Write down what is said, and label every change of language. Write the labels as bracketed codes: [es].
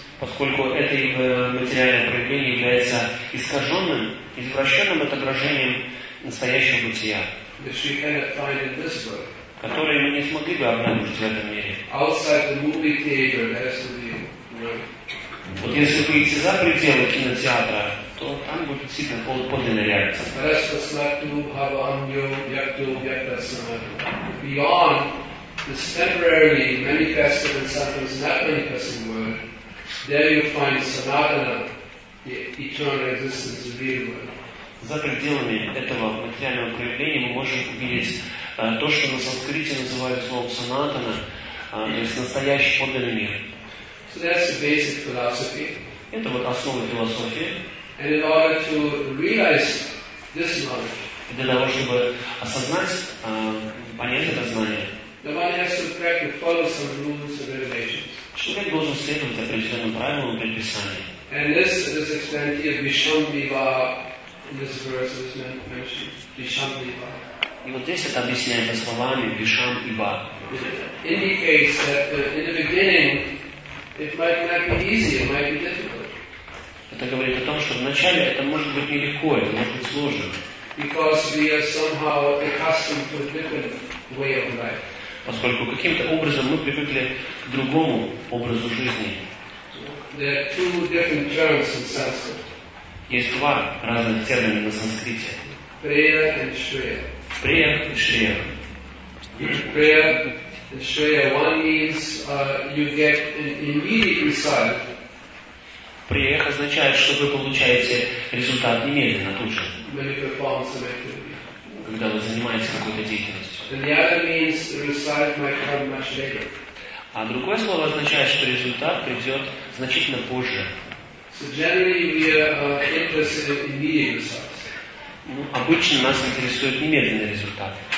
[ru] Поскольку это материальное проявление является искаженным, извращенным отображением настоящего бытия. [en] Which we cannot find in this world. [ru] Которые мы не смогли бы обнаружить в этом мире. [en] Outside the movie theater has to be. [ru] Вот если выйти за пределы кинотеатра, то там будет действительно подлинная реакция. Resta smatu habanyo yaktu yaktasamatu. [en] Beyond this temporary manifested and sometimes not manifested world, there you find sanatana, the eternal existence, the real world. [ru] За пределами этого материального проявления мы можем увидеть то, что на санскрите называют словом санатана, то есть настоящий подлинный мир. [en] So that's the basic philosophy. [ru] Это вот основа философии. [en] And in order to realize this knowledge, [ru] для того, чтобы осознать, понять это знание, [en] the one has to practice, follow some rules and regulations. [ru] Человек должен следовать определенным правилам и предписаниям. [en] And this is explained here, Vishon Viva. This verse is mentioned, Visham Iba. [ru] И вот здесь это объясняется словами Visham Iba. [en] It indicates that in the beginning it might not be easy, it might be difficult. [ru] Это говорит о том, что вначале это может быть нелегко, это может быть сложно. [en] Because we are somehow accustomed to a different way of life. [ru] Поскольку каким-то образом мы привыкли к другому образу жизни. [en] There are two different terms in Sanskrit. [ru] Есть два разных термина на санскрите. [en] Prayer and Shreya. Prayer and Shreya. Prayer and Shreya. One means you get an immediate result. [ru] Prayer означает, что вы получаете результат немедленно, тут же. [en] When you perform some activity. [ru] Когда вы занимаетесь какой-то деятельностью. [en] And the other means the result might come much later. [ru] А другое слово означает, что результат придет значительно позже. [en] So generally we are interested in immediate results. [ru] Ну, обычно нас интересует немедленный результат.